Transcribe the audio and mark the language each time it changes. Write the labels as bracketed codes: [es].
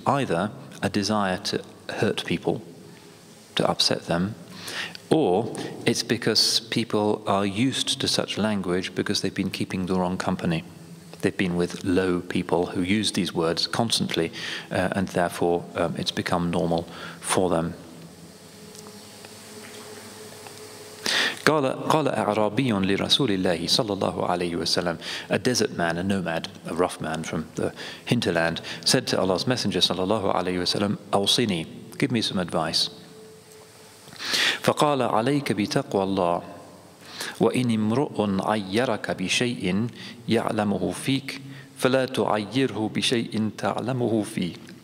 [en] Either a desire to hurt people, to upset them, or it's because people are used to such language because they've been keeping the wrong company. They've been with low people who use these words constantly, and therefore it's become normal for them. [ar] قال أعرابي لرسول الله صلى الله عليه وسلم. [en] A desert man, a nomad, a rough man from the hinterland, said to Allah's Messenger [ar] صلى الله عليه وسلم, أوصني, [en] give me some advice. [ar] فقال عليك بتقوى الله وإن امرؤ عيرك بشيء يعلمه فيك فلا تعيره بشيء تعلمه فيه.